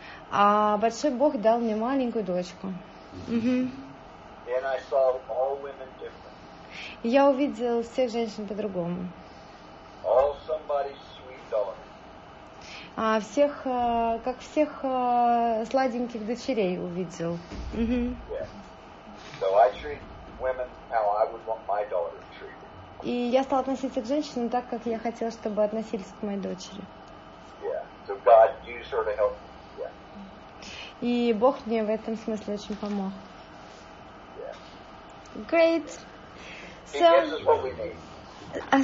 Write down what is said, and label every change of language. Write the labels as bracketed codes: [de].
[ru] А большой Бог дал мне маленькую дочку. [en] And I saw all women different. [ru] Я увидел всех женщин по-другому. [en] All somebody's sweet daughter. [ru] А всех, как всех сладеньких дочерей увидел. [en] Yeah. So I treat women how I would want my daughter treated. [ru] И я стала относиться к женщинам так, как я хотела, чтобы относились к моей дочери. [en] Yeah. So God used her to help me. Yeah. [ru] И Бог мне в этом смысле очень помог. [en] Yeah. Great. So, he gives us what we need.